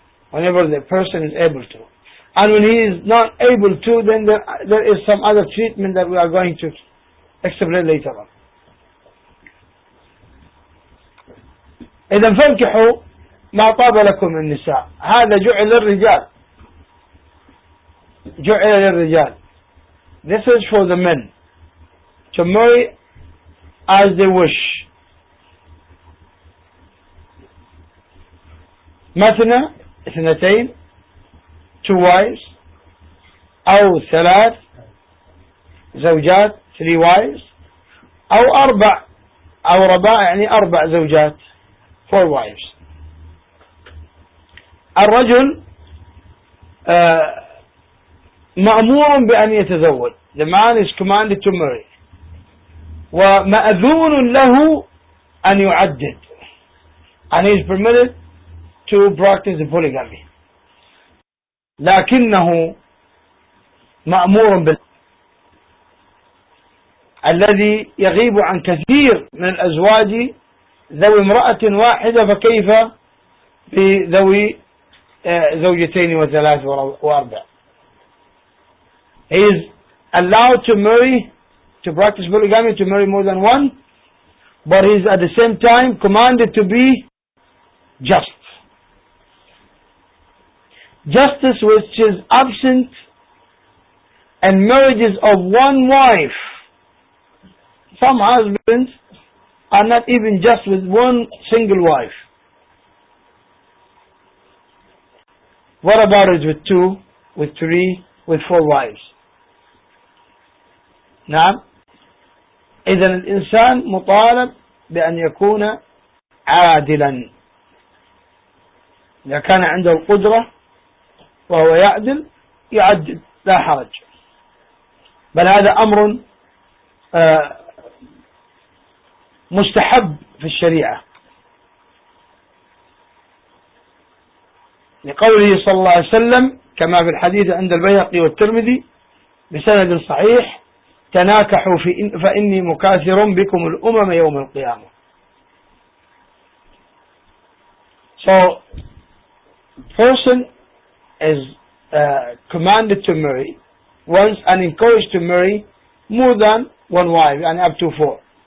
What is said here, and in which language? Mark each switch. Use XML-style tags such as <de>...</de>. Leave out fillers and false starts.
<en>Whenever the person is able to. And when he is not able to, then there is some other treatment that we are going to explain later on.</en> <ar>إذا فانكحوا ما طاب لكم النساء، هذا جعل للرجال، جعل للرجال.</ar> <en>This is for the men to marry as they wish.</en> <ar>مثنى اثنتين،</ar> <en>two wives،</en> <ar>أو ثلاث زوجات،</ar> <en>three wives،</en> <ar>أو أربع، أو رباع يعني أربع زوجات،</ar> <en>four wives.</en> <ar>الرجل مأمور بأن يتزوج.</ar> <en>The man is commanded to marry.</en> <ar>ومأذون له أن يعدد.</ar> <en>And he is permitted to practice the polygamy.</en> <ar>لكنه مأمور الذي يغيب عن كثير من الأزواج ذوي امرأة واحدة، فكيف بذوي زوجتين وثلاث وأربع.</ar> <en>He is allowed to marry, to practice polygamy, to marry more than one, but he is at the same time commanded to be just. Justice which is absent in marriages of one wife. Some husbands are not even just with one single wife. What about it with two, with three, with four wives?</en> <ar>نعم. إذن الإنسان مطالب بأن يكون عادلا. إذا كان عنده القدرة وهو يعدل يعدل، لا حرج. بل هذا أمر مستحب في الشريعة، لقوله صلى الله عليه وسلم كما في الحديث عند البيهقي والترمذي بسند صحيح تناكحوا فإني مكاثر بكم الأمم يوم القيامة.</ar> <en>So person is commanded to marry once and encouraged to marry more than one wife and up to four.</en>